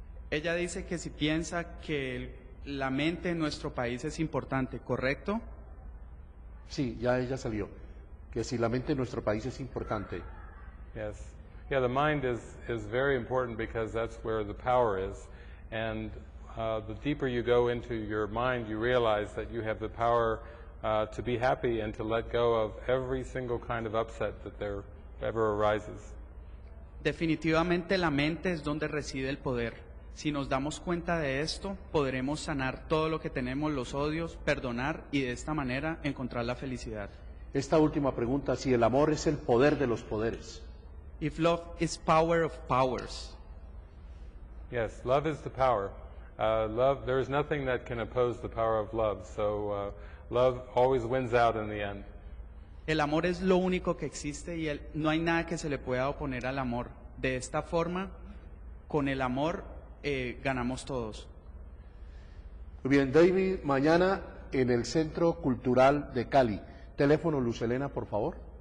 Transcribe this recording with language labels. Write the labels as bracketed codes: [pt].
[es] Ella dice que si piensa que la mente en nuestro país es importante, ¿correcto? Sí, ya ella salió. Que si la mente en nuestro país es importante. [en] Yes. Yeah, the mind is very important because that's where the power is. And the deeper you go into your mind, you realize that you have the power to be happy and to let go of every single kind of upset that there ever arises. [es] Definitivamente la mente es donde reside el poder. Si nos damos cuenta de esto, podremos sanar todo lo que tenemos, los odios, perdonar y de esta manera encontrar la felicidad. Esta última pregunta, si el amor es el poder de los poderes. [en] If love is power of powers. Yes, love is the power. Love, there is nothing that can oppose the power of love. So love always wins out in the end. [es] El amor es lo único que existe y no hay nada que se le pueda oponer al amor. De esta forma, con el amor ganamos todos. Muy bien, David, mañana en el Centro Cultural de Cali. Teléfono, Luz Elena, por favor.